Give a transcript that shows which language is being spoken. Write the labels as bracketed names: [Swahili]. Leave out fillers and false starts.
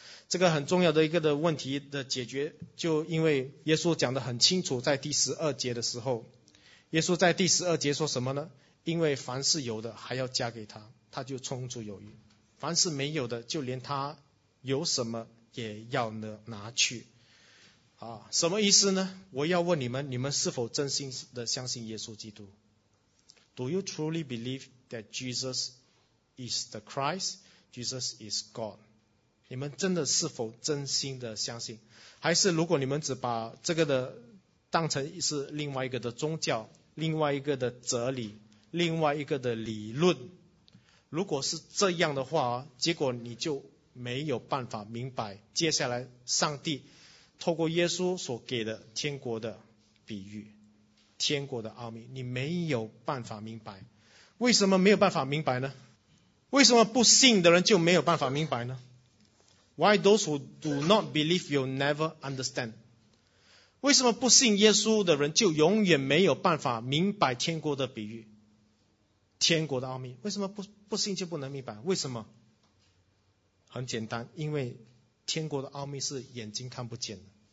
[Chinese] 这个很重要的一个的问题的解决，就因为耶稣讲得很清楚，在第十二节的时候，耶稣在第十二节说什么呢？因为凡是有的还要加给他，他就充足有余；凡是没有的，就连他有什么也要拿去。啊，什么意思呢？我要问你们，你们是否真心的相信耶稣基督？ [English] Do you truly believe that Jesus is the Christ? Jesus is God? [Chinese] 你们真的是否真心的相信？还是如果你们只把这个的当成是另外一个的宗教，另外一个的哲理，另外一个的理论，如果是这样的话，结果你就没有办法明白接下来上帝透过耶稣所给的天国的比喻，天国的奥秘，你没有办法明白。为什么没有办法明白呢？为什么不信的人就没有办法明白呢？ [English] Why those who do not believe you never understand? [Chinese] 为什么不信耶稣的人就永远没有办法明白天国的比喻，天国的奥秘？为什么 不信就不能明白？为什么？很简单，因为天国的奥秘是眼睛看不见的。